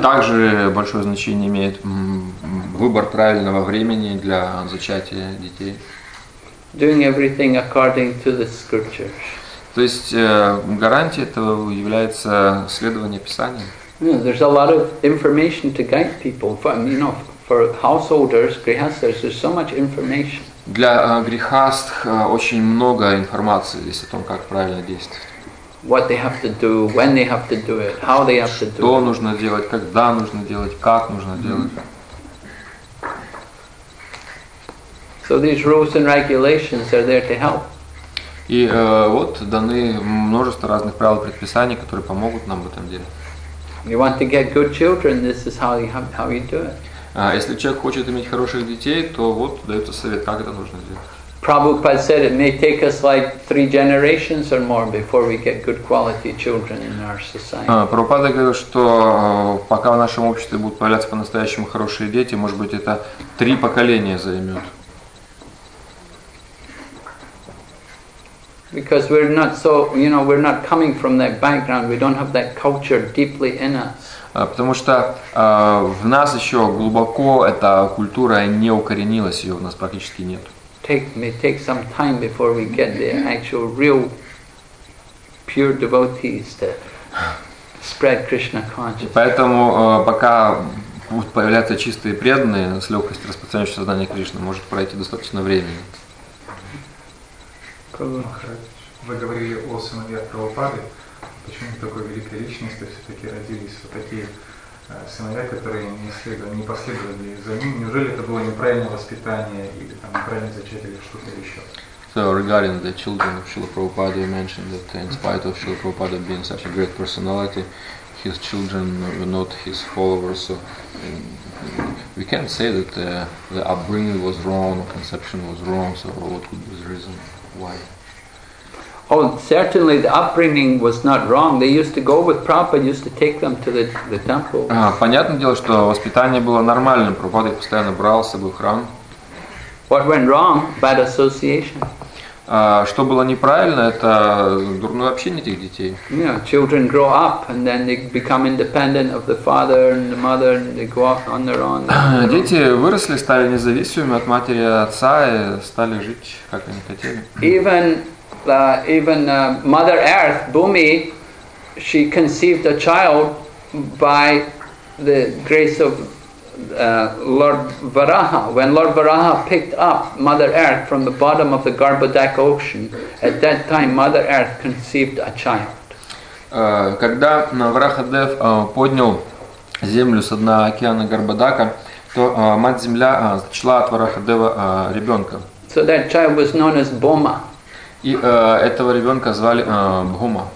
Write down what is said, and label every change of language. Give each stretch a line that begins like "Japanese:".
Russian: Также большое значение имеет выбор правильного времени для зачатия детей.
English: Doing everything according to the scriptures.
Russian: То есть гарантией этого является следование Писанию.
English: There's a lot of information to guide people. For householders, grihasthas, there's so much information.
Russian: Для грихастх очень много информации есть о том, как правильно действовать.
English: What they have to do, when they have to do it, how they have to do it.
Russian: Что нужно делать, когда нужно делать, как нужно делать.
English: So these rules and regulations are there to help.
Russian: И вот даны множество разных правил и предписаний, которые помогут нам в этом деле.
English: You want to get good children, this is how you do it.
Russian: Если человек хочет иметь хороших детей, то вот дается совет, как это нужно делать.
English: Prabhupada said it may take us like 3 generations or more before we get good quality children in our society.
Russian: Прабхупада говорил, что пока в нашем обществе будут появляться по-настоящему хорошие дети, может быть, это 3 поколения займет.
English: Because we're not so, we're not coming from that background. We don't have that culture deeply in us.
Russian: Потому что в нас еще глубоко эта культура не укоренилась, ее у нас практически нет.
English: may take some time before we get the actual real pure devotees to spread Krishna consciousness.
Russian: Поэтому пока будут появляться чистые преданные с легкостью распространяющие сознание Кришны, может пройти достаточно времени. Вы говорили о сыновьях Прабхупады. Почему такой великой личности все-таки родились вот такие сыновья, которые не последовали за ним? Неужели это было неправильное воспитание или там неправильное зачатие или что-то еще?
English: So regarding the children of Srila Prabhupada, you mentioned that in spite of Srila Prabhupada being such a great personality, his children were not his followers. So we can't say that the upbringing was wrong or conception was wrong. So what could be the reason why? Oh, certainly the upbringing was not wrong. They used to go with Prabhupada, used to take them to the temple.
Russian: Понятное дело, что воспитание было нормальным. Прабхупада их постоянно брал с собой в храм.
English: What went wrong? Bad association.
Russian: Что было неправильно, это дурное общение этих детей.
English: Yeah, children grow up and then they become independent of the father and the mother and they go off on their own.
Russian: Дети выросли, стали независимыми от матери и отца и стали жить, как они хотели.
English: Even Mother Earth, Bhumi, she conceived a child by the grace of Lord Varaha. When Lord Varaha picked up Mother Earth from the bottom of the Garbhodak ocean, at that time Mother Earth conceived a child.
Russian: Когда Варахадев поднял землю с дна океана Гарбадака, то мать земля зачала от Варахадева ребенка.
English: So that child was known as Bhuma.
Russian: И этого ребенка звали Бхума.